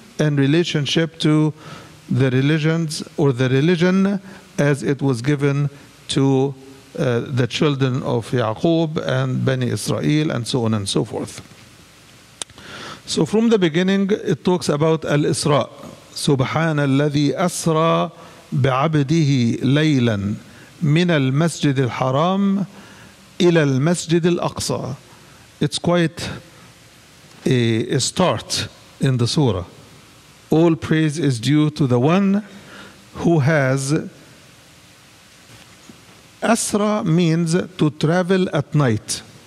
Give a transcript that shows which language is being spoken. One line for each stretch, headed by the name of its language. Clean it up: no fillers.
English: in relationship to the religions or the religion as it was given to the children of Yaqub and Bani Israel and so on and so forth. So from the beginning it talks about Al-Isra.
Arabic: سبحان الذي أسرى بعبده ليلا من المسجد الحرام إلى المسجد الأقصى.
English: It's quite a start in the surah. All praise is due to the one who has أسرى means to travel at night.